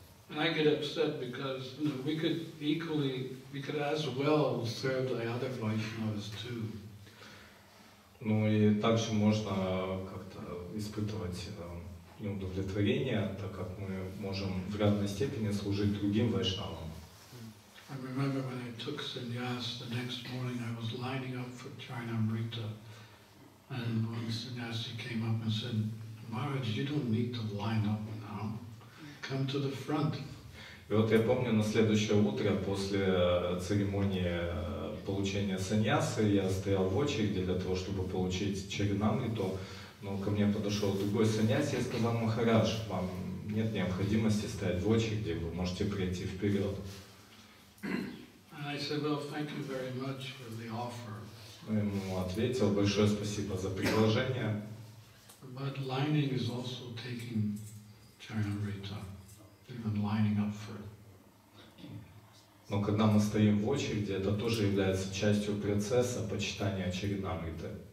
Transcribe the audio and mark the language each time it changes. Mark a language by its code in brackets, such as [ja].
[en] And I get upset because you know, we could as well serve the other Vaishnavas too. [ru] Ну и также можно как-то испытывать неудовлетворение, так как мы можем в равной степени служить другим вайшнавам. [en] I remember when I took sannyas, the next morning I was lining up for Charanamrita, and one sannyasi came up and said, Maharaj, you don't need to line up now. Come to the front. [ru] И вот я помню, на следующее утро после церемонии получения саньясы я стоял в очереди для того, чтобы получить чаринамриту, но ко мне подошел другой саньяси и сказал, Махарадж, вам нет необходимости стоять в очереди, вы можете прийти вперед. [en] And I said, well, thank you very much for the offer. [ru] Я ему ответил, большое спасибо за предложение. [en] But lining is also taking чаринамрита. Even lining up for it. [ru] Но когда мы стоим в очереди, это тоже является частью процесса почитания чаринамриты.